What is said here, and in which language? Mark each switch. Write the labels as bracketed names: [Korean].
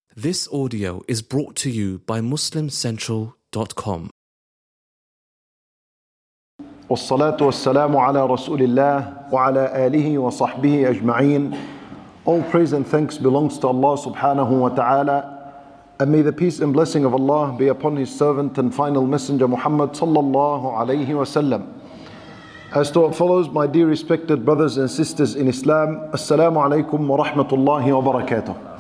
[English] This audio is brought to you by MuslimCentral.com. [Arabic] والصلاة والسلام على رسول الله وعلى آله وصحبه أجمعين. [English] All praise and thanks belongs to Allah [Arabic] سبحانه وتعالى. [English] And may the peace and blessing of Allah be upon His servant and final messenger Muhammad [Arabic] صلى الله عليه وسلم. [English] As to what follows, my dear respected brothers and sisters in Islam, Assalamu alaikum wa rahmatullahi wa barakatuh.